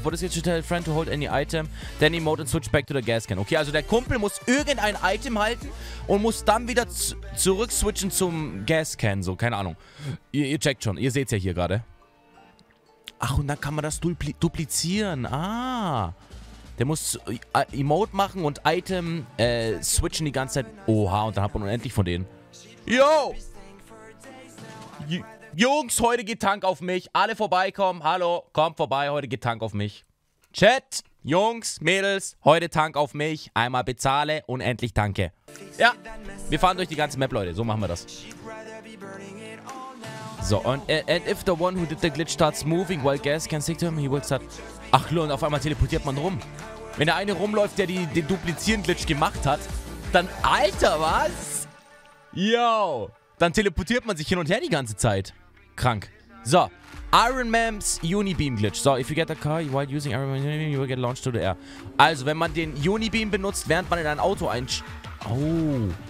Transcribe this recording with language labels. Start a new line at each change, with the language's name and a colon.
English: For this you should tell a friend to hold any item, then emote and switch back to the gas can.
German: Okay, also der Kumpel muss irgendein Item halten und muss dann wieder zurück switchen zum Gas Can. So, keine Ahnung. Ihr checkt schon. Ihr seht's ja hier gerade. Ach, und dann kann man das duplizieren. Ah. Der muss Emote machen und Item switchen die ganze Zeit. Oha, und dann hat man unendlich von denen. Yo! Jungs, heute geht Tank auf mich. Alle vorbeikommen. Hallo, kommt vorbei. Heute geht Tank auf mich. Chat, Jungs, Mädels, heute Tank auf mich. Einmal bezahle, unendlich tanke. Ja, wir fahren durch die ganze Map, Leute. So machen wir das.
English: So, and if the one who did the glitch starts moving while gas can stick to him, he will start...
German: Ach, Leon, auf einmal teleportiert man rum. Wenn der eine rumläuft, der den duplizierenden Glitch gemacht hat, dann... Alter, was? Yo! Dann teleportiert man sich hin und her die ganze Zeit. Krank. So, Iron Man's Unibeam Glitch.
English: So, if you get the car while using Iron Man's Unibeam, you will get launched to the air.
German: Also, wenn man den Unibeam benutzt, während man in ein Auto Oh.